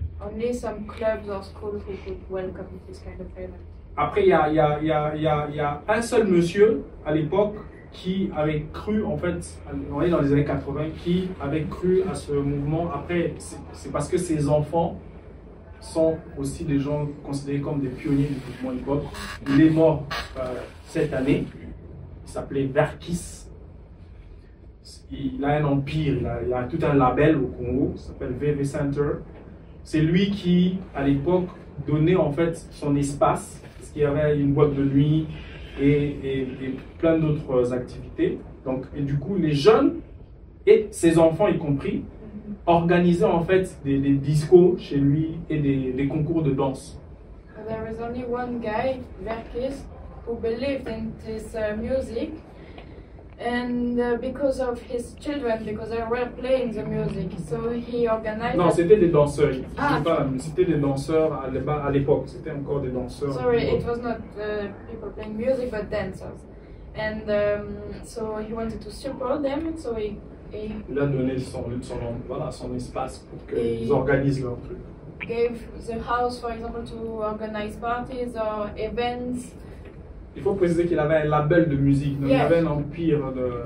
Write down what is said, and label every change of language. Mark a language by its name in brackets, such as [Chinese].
[English] Only some clubs or schools who could welcome this kind of event. [French] Après, il y a un seul monsieur à l'époque qui avait cru, en fait, on est dans les années 80, qui avait cru à ce mouvement. Après, c'est parce que ses enfants sont aussi des gens considérés comme des pionniers du mouvement hip-hop. Il est mort cette année. Il s'appelait Verkis. Il a un empire, il a tout un label au Congo, il s'appelle VV Center. C'est lui qui, à l'époque, donnait en fait son espace, parce qu'il y avait une boîte de nuit, Et plein d'autres activités. Donc, et du coup, les jeunes et ses enfants y compris organisaient en fait des discos chez lui et des concours de danse. [English] There is only one guy, Verkis, who believed in this music, and because of his children, because they were playing the music, so he organized. [French] Non, c'était des danseurs. C'était des danseurs à l'époque. C'était encore des danseurs. [English] Sorry, it was not people playing music, but dancers. And so he wanted to support them, so he. [French] Il a donné son espace pour qu'ils organisent leur truc. [English] Gave the house, for example, to organize parties or events. [French] Il faut préciser qu'il avait un label de musique, donc il avait un empire de.